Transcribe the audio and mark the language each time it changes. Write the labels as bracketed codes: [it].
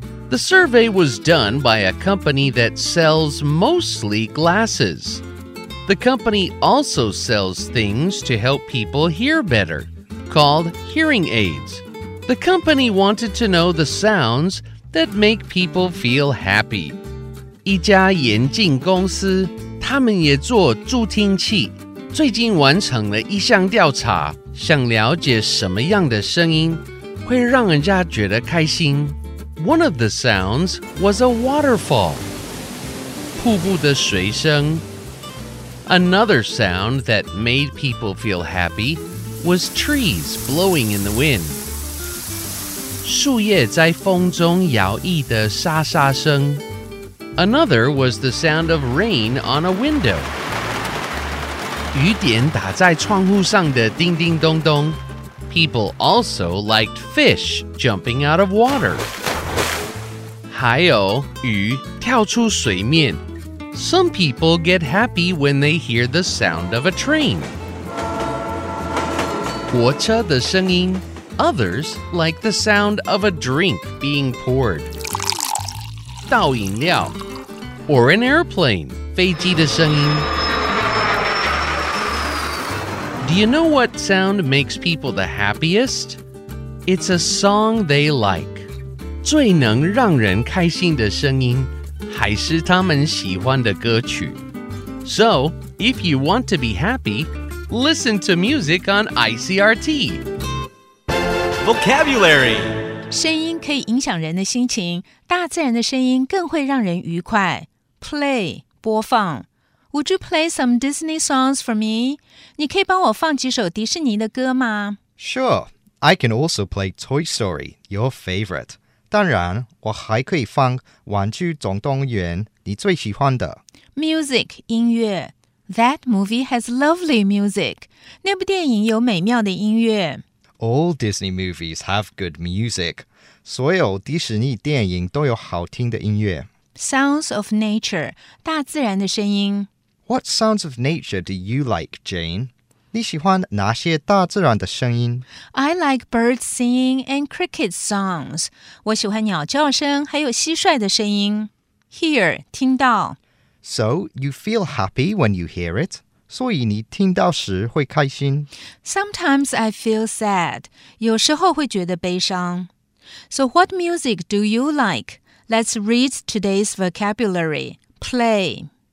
[en] The survey was done by a company that sells mostly glasses. The company also sells things to help people hear better, called hearing aids. The company wanted to know the sounds that make people feel happy. [zh] 一家眼镜公司，他们也做助听器，最近完成了一项调查，想了解什么样的声音会让人家觉得开心。 [en] One of the sounds was a waterfall. [zh] 瀑布的水声。 [en] Another sound that made people feel happy was trees blowing in the wind. [zh] 树叶在风中摇曳的沙沙声。 [en] Another was the sound of rain on a window. [zh] 雨点打在窗户上的叮叮咚咚。 [en] People also liked fish jumping out of water. [zh] 还有鱼跳出水面。 [en] Some people get happy when they hear the sound of a train. [zh] 火车的声音。 [en] Others like the sound of a drink being poured. [zh] 倒饮料。 [en] Or an airplane, [zh] 飞机的声音。 [en] Do you know what sound makes people the happiest? It's a song they like. [zh] 最能让人开心的声音还是他们喜欢的歌曲。 [en] So, if you want to be happy, listen to music on ICRT. Vocabulary [zh] 声音可以影响人的心情，大自然的声音更会让人愉快。 Play 播放。 [en] Would you play some Disney songs for me? [zh] 你可以帮我放几首迪士尼的歌吗？ [en] Sure, I can also play Toy Story, your favorite. [zh] 当然，我还可以放《玩具总动员》你最喜欢的。 [en] Music 音乐 ，That movie has lovely music。 [zh] 那部电影有美妙的音乐。 [en] All Disney movies have good music。 [zh] 所有迪士尼电影都有好听的音乐。 [en] Sounds of nature， [zh] 大自然的声音。 [en] What sounds of nature do you like, Jane? [zh] 你喜欢哪些大自然的声音? [en] I like birds singing and cricket songs. [zh] 我喜欢鸟叫声还有蟋蟀的声音。 [en] Hear, 听到。 So, you feel happy when you hear it. [zh] 所以你听到时会开心。 [en] Sometimes I feel sad. [zh] 有时候会觉得悲伤。 [en] So, what music do you like? Let's read today's vocabulary. Play.